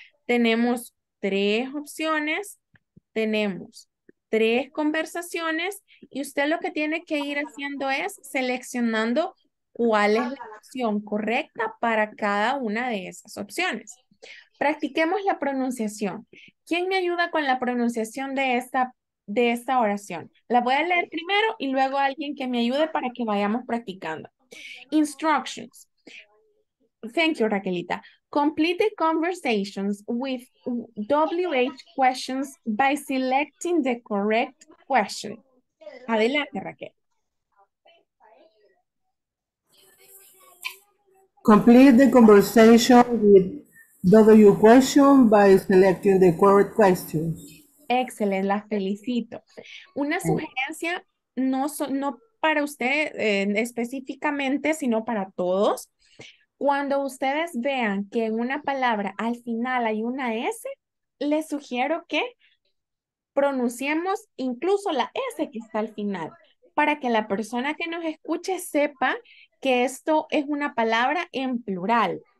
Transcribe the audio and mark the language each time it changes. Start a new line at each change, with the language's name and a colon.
Spanish: Tenemos tres opciones, tenemos tres conversaciones, y usted lo que tiene que ir haciendo es seleccionando cuál es la opción correcta para cada una de esas opciones. Practiquemos la pronunciación. ¿Quién me ayuda con la pronunciación de esta oración? La voy a leer primero y luego alguien que me ayude para que vayamos practicando.
English: Instructions. Thank you, Raquelita. Complete the conversations with WH questions by selecting the correct question.
Spanish: Adelante, Raquel.
English: Complete the conversation with W question by selecting the correct question.
Spanish: Excelente, la felicito. Una sugerencia, no para usted específicamente, sino para todos. Cuando ustedes vean que en una palabra al final hay una S, les sugiero que pronunciemos incluso la S que está al final, para que la persona que nos escuche sepa que esto es una palabra en plural.